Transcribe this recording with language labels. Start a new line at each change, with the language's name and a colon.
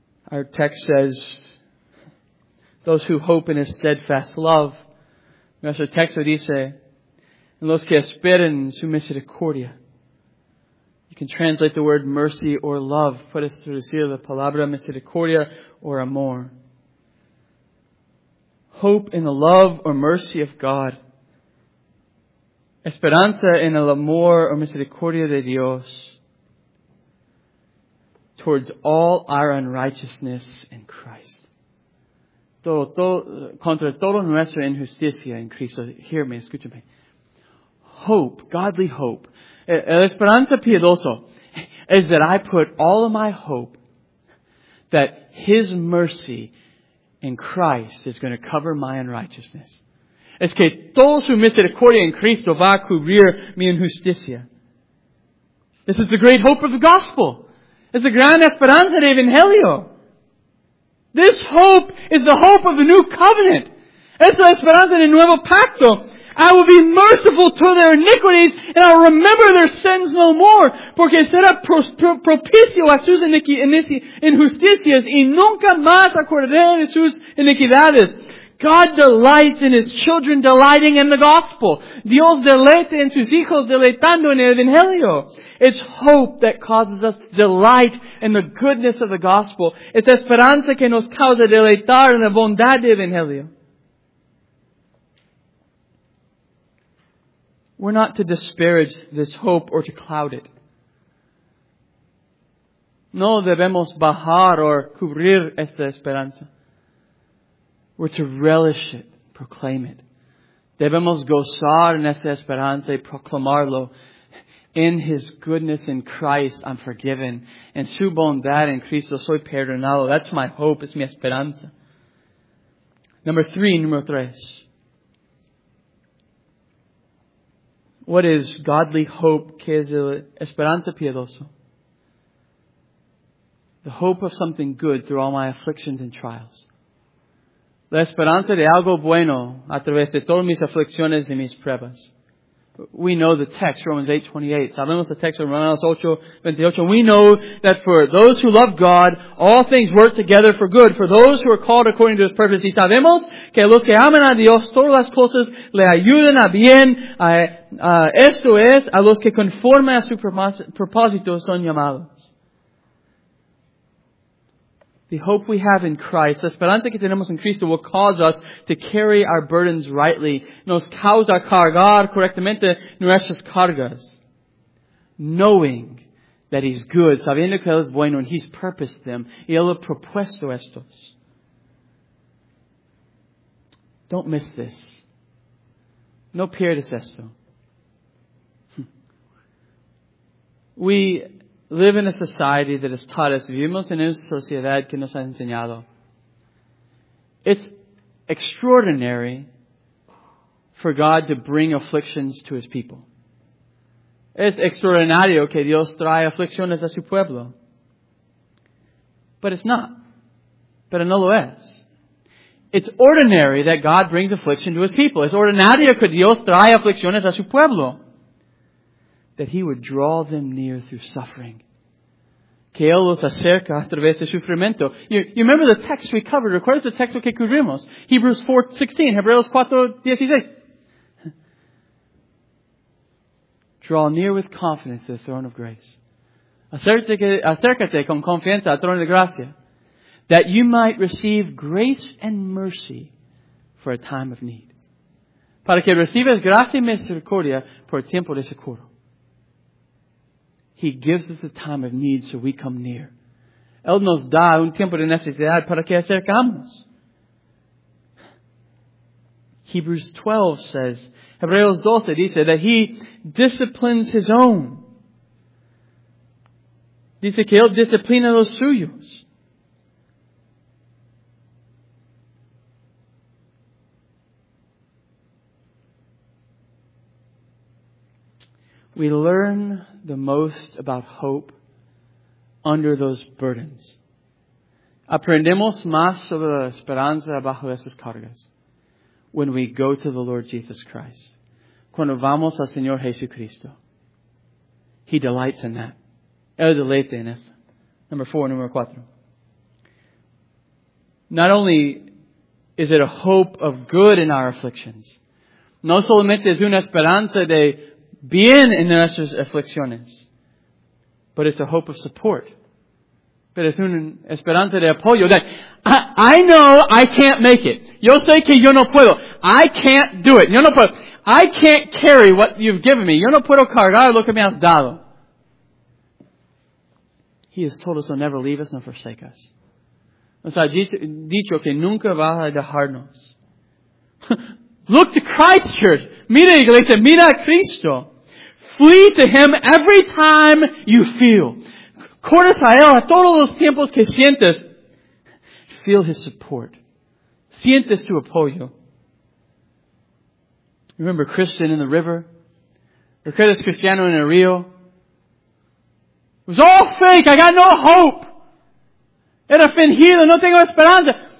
English: Our text says, those who hope in His steadfast love.
Spanish: Nuestro texto dice, en los que esperan su misericordia.
English: You can translate the word mercy or love.
Spanish: Puedes traducir la palabra misericordia or amor.
English: Hope in the love or mercy of God.
Spanish: Esperanza en el amor o misericordia de Dios.
English: Towards all our unrighteousness in Christ.
Spanish: Contra todo nuestra injusticia en Cristo.
English: Hear me,
Spanish: escúchame.
English: Hope, godly hope.
Spanish: El esperanza piadoso
English: is that I put all of my hope that His mercy in Christ is going to cover my unrighteousness.
Spanish: Es que todo su misericordia en Cristo va a cubrir mi injusticia.
English: This is the great hope of the gospel. It's the
Spanish: gran esperanza de Evangelio.
English: This hope is the hope of the new covenant.
Spanish: Es la esperanza del nuevo pacto.
English: I will be merciful to their iniquities and I'll remember their sins no more.
Spanish: Porque será propicio a sus injusticias y nunca más acordaré de sus iniquidades.
English: God delights in His children delighting in the gospel.
Spanish: Dios deleita en sus hijos deleitando en el evangelio.
English: It's hope that causes us to delight in the goodness of the gospel.
Spanish: Es esperanza que nos causa deleitar en la bondad del evangelio.
English: We're not to disparage this hope or to cloud it.
Spanish: No debemos bajar or cubrir esta esperanza.
English: We're to relish it, proclaim it.
Spanish: Debemos gozar en esta esperanza y proclamarlo.
English: In His goodness in Christ, I'm forgiven.
Spanish: En su bondad en Cristo, soy perdonado.
English: That's my hope,
Spanish: es mi esperanza. Número tres.
English: What is godly hope?
Spanish: ¿Qué es el esperanza piadoso?
English: The hope of something good through all my afflictions and trials.
Spanish: La esperanza de algo bueno a través de todas mis aflicciones y mis pruebas.
English: We know the text,
Spanish: Romans 8:28. Sabemos el texto de Romanos 8:28.
English: We know that for those who love God, all things work together for good. For those who are called according to His purpose.
Spanish: Y sabemos que los que aman a Dios, todas las cosas le ayudan a bien. Esto es, a los que conforme a su propósito son llamados.
English: The hope we have in Christ,
Spanish: la esperanza que tenemos en Cristo,
English: will cause us to carry our burdens rightly.
Spanish: Nos causa cargar correctamente nuestras cargas.
English: Knowing that He's good,
Spanish: sabiendo que Él es bueno,
English: and He's purposed them.
Spanish: Y Él ha propuesto estos.
English: Don't miss this.
Spanish: No pierdas esto.
English: We live in a society that has taught us,
Spanish: vivimos en una sociedad que nos ha enseñado.
English: It's extraordinary for God to bring afflictions to His people.
Spanish: Es extraordinario que Dios trae aflicciones a su pueblo.
English: But it's not. But it
Spanish: nulo es.
English: It's ordinary that God brings affliction to His people.
Spanish: Es ordinario que Dios trae aflicciones a su pueblo.
English: That He would draw them near through suffering.
Spanish: Que Él los acerca a través de sufrimiento.
English: You remember the text we covered.
Spanish: Recuerda el texto que cubrimos.
English: Hebrews 4:16.
Spanish: Hebreos 4:16.
English: Draw near with confidence to the throne of grace.
Spanish: Acércate con confianza al trono de gracia.
English: That you might receive grace and mercy for a time of need.
Spanish: Para que recibas gracia y misericordia por tiempo de socorro.
English: He gives us a time of need so we come near.
Spanish: Él nos da un tiempo de necesidad para que acercamos.
English: Hebrews 12 says,
Spanish: Hebreos 12 dice,
English: that He disciplines His own.
Spanish: Dice que Él disciplina los suyos.
English: We learn the most about hope under those burdens.
Spanish: Aprendemos más sobre la esperanza bajo esas cargas.
English: When we go to the Lord Jesus Christ.
Spanish: Cuando vamos al Señor Jesucristo.
English: He delights in that.
Spanish: Él deleita en eso. Número 4.
English: Not only is it a hope of good in our afflictions.
Spanish: No solamente es una esperanza de bien en nuestras aflicciones.
English: But it's a hope of support.
Spanish: Pero es una esperanza de apoyo.
English: That I know I can't make it.
Spanish: Yo sé que yo no puedo.
English: I can't do it.
Spanish: Yo no puedo.
English: I can't carry what you've given me.
Spanish: Yo no puedo cargar lo que me has dado.
English: He has told us to never leave us nor forsake us.
Spanish: Nos ha dicho que nunca va a dejarnos.
English: Look to Christ, church.
Spanish: Mira, iglesia. Mira a Cristo.
English: Flee to Him every time you feel.
Spanish: Corres a Él a todos los tiempos que sientes.
English: Feel His support.
Spanish: Sientes su apoyo.
English: Remember Christian in the river?
Spanish: Recuerdas Cristiano en el río?
English: It was all fake. I got no hope.
Spanish: Era fingido. No tengo esperanza.